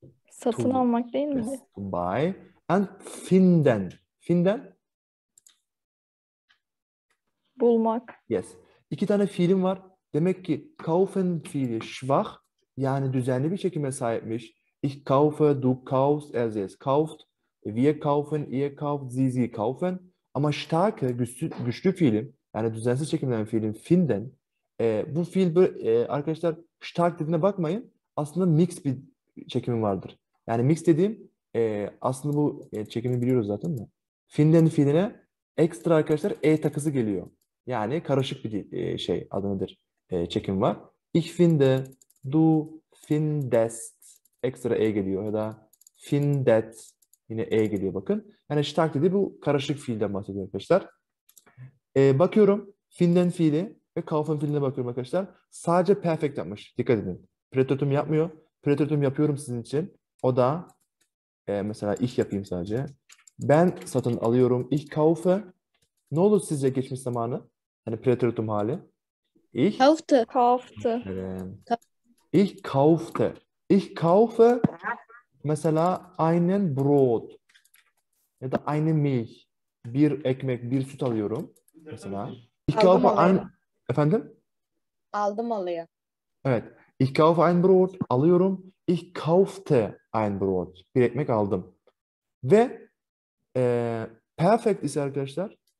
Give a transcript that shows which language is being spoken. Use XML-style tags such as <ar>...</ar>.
<tr>Satın almak değil mi?</tr> <en>Yes, to buy. And finden. Finden?</en> <tr>Bulmak.</tr> <en>Yes.</en> <tr>İki tane fiilim var. Demek ki kaufen fiili schwach, yani düzenli bir çekime sahipmiş.</tr> <de>Ich kaufe, du kaufst, er selbst kauft, wir kaufen, ihr kauft, sie kaufen.</de> <tr>Ama starke, güçlü fiilim, yani düzensiz çekimden fiilim finden, bu fiil arkadaşlar stark dediğine bakmayın, aslında mix bir çekimi vardır. Yani mix dediğim, aslında bu çekimi biliyoruz zaten de. Finden fiiline ekstra arkadaşlar e takısı geliyor. Yani karışık bir şey adı nedir, çekim var.</tr> <de>Ich finde, du findest,</de> <tr>ekstra e geliyor. Ya da findet, yine e geliyor bakın. Yani stark dediği bu karışık fiilden bahsediyor arkadaşlar. Bakıyorum finden fiili ve kaufen fiiline bakıyorum arkadaşlar. Sadece perfect yapmış. Dikkat edin. Preteritum yapmıyor. Preteritum yapıyorum sizin için. O da mesela ich yapayım sadece. Ben satın alıyorum.</tr> <de>Ich kaufe.</de> <tr>Ne olur sizce geçmiş zamanı? Hani preteritum hali.</tr> <de>Ich kaufte. Ich kaufte. Ich kaufe</de> <tr>mesela</tr> <de>einen Brot.</de> <tr>Ya da</tr> <de>eine Milch.</de> <tr>Bir ekmek, bir süt alıyorum. Mesela.</tr> <de>Ich kaufe ein...</de> <tr>Efendim? Aldım alıyor. Evet.</tr> <de>Ich kaufe ein Brot.</de> <tr>Alıyorum.</tr> <de>Ich kaufte ein Brot.</de> <tr>Bir ekmek aldım. Ve perfect ise arkadaşlar.</tr>